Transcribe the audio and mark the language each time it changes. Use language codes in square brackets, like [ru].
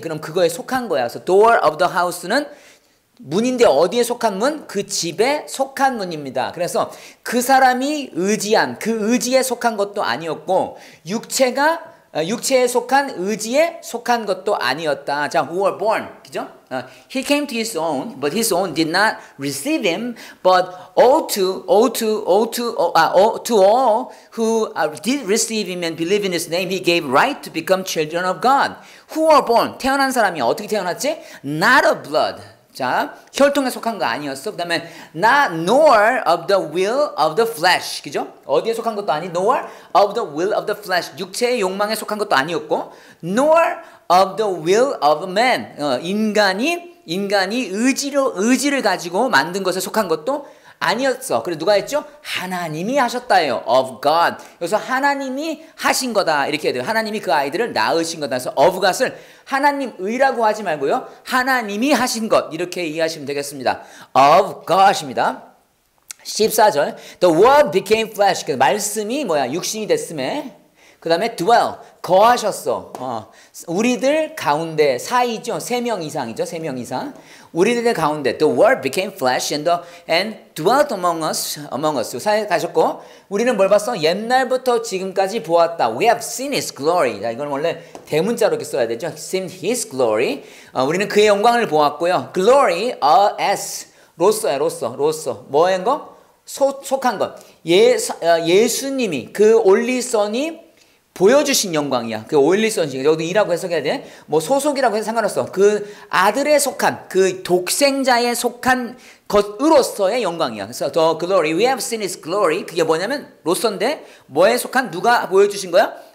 [ko] 그럼 그거에 속한 거야. 그래서 [en] door of the house [ko] 는 문인데 어디에 속한 문? 그 집에 속한 문입니다. 그래서 그 사람이 의지한 그 의지에 속한 것도 아니었고 육체에 속한 의지에 속한 것도 아니었다. [en] 자, who were born, 그죠? He came to his own, but his own did not receive him. But all who did receive him and believe in his name, he gave right to become children of God. Who were born? [ko] 태어난 사람이 어떻게 태어났지? [en] Not of blood. [ko] 자, 혈통에 속한 거 아니었어. 그 다음에 [en] not nor of the will of the flesh. 그죠? [ko] 어디에 속한 것도 아니. [en] nor of the will of the flesh. [ko] 육체의 욕망에 속한 것도 아니었고 [en] nor of the will of man. [ko] 인간이 의지를 가지고 만든 것에 속한 것도 아니었어. 그래서 누가 했죠? 하나님이 하셨다예요. [en] of God. [ko] 여기서 하나님이 하신 거다. 이렇게 해야 돼요. 하나님이 그 아이들을 낳으신 거다. 그래서 of God을 하나님 의라고 하지 말고요. 하나님이 하신 것. 이렇게 이해하시면 되겠습니다. [en] of God입니다. 14절. The word became flesh. [ko] 그 말씀이 뭐야? 육신이 됐음에. 그 다음에 dwell. 거하셨어. 우리들 가운데 사이죠. 세 명 이상. 우리들의 가운데 [en] the word became flesh and dwelt among us. [ko] 사이에 가셨고 우리는 뭘 봤어? 옛날부터 지금까지 보았다. [en] We have seen his glory. [ko] 자, 이건 원래 대문자로 이렇게 써야 되죠. [en] Seen his glory. [ko] 우리는 그의 영광을 보았고요. [en] Glory as [ko] 로써. 뭐인 거? 속한 것. 예수님이 그 올리선이 보여주신 영광이야. 그 올리선식. 여기도 이라고 해석해야 돼. 뭐 소속이라고 해서 상관없어. 그 아들에 속한, 그 독생자에 속한 것으로서의 영광이야. 그래서 [en] the glory, we have seen his glory. [ko] 그게 뭐냐면 로서인데 뭐에 속한, 누가 보여주신 거야?